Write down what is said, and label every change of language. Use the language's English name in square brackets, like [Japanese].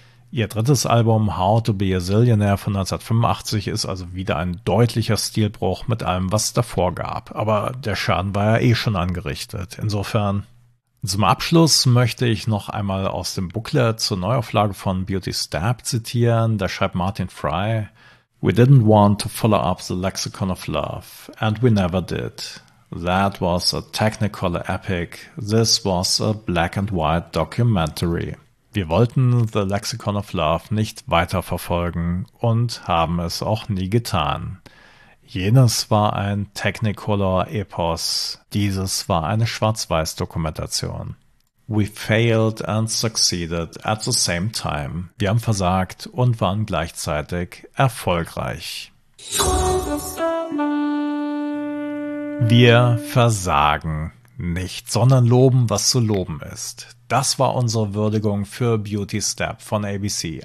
[German] Ihr drittes Album How to Be a Zillionaire von 1985 ist also wieder ein deutlicher Stilbruch mit allem, was es davor gab. Aber der Schaden war ja eh schon angerichtet. Insofern, zum Abschluss möchte ich noch einmal aus dem Booklet zur Neuauflage von Beauty Step zitieren. Da schreibt [English] Martin Fry, "We didn't want to follow up the Lexicon of Love, and we never did. That was a Technicolor epic. This was a black and white documentary. [German] Wir wollten The Lexicon of Love nicht weiterverfolgen und haben es auch nie getan. Jenes war ein Technicolor Epos. Dieses war eine schwarz-weiß Dokumentation. [English] We failed and succeeded at the same time. [German] Wir haben versagt und waren gleichzeitig erfolgreich." Wir versagen nicht, sondern loben, was zu loben ist. Das war unsere Würdigung für Beauty Step von ABC.